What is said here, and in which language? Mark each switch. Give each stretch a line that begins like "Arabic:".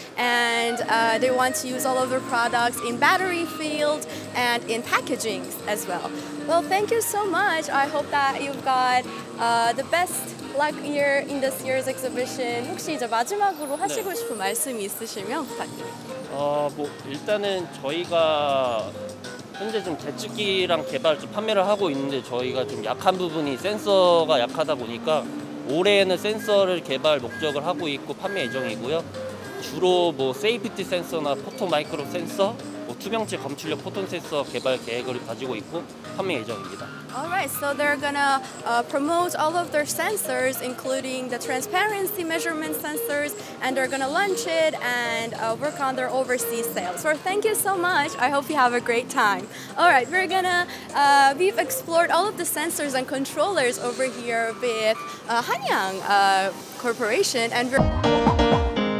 English: And they want to use all of their products in battery field and in packaging as well. Well, thank you so much. I hope that you've got the best luck here in this year's exhibition.
Korean: 혹시 이제 마지막으로 하시고 네. 싶은 말씀이 있으시면 부탁드립니다. 뭐 일단은 저희가 현재 좀 계측기랑 개발 좀 판매를 하고 있는데 저희가 좀 약한 부분이 센서가 약하다 보니까 올해에는 센서를 개발 목적을 하고 있고 판매 예정이고요. 주로 뭐 세이피티 센서나 포토 마이크로 센서, 뭐 투명체 감출력 포톤 센서 개발 계획을 가지고 있고 판매 예정입니다.
English: All right, so they're gonna promote all of their sensors, including the transparency measurement sensors, and they're gonna launch it and work on their overseas sales. So thank you so much. I hope you have a great time. All right, we're gonna we've explored all of the sensors and controllers over here with Hanyoung Corporation, and we're.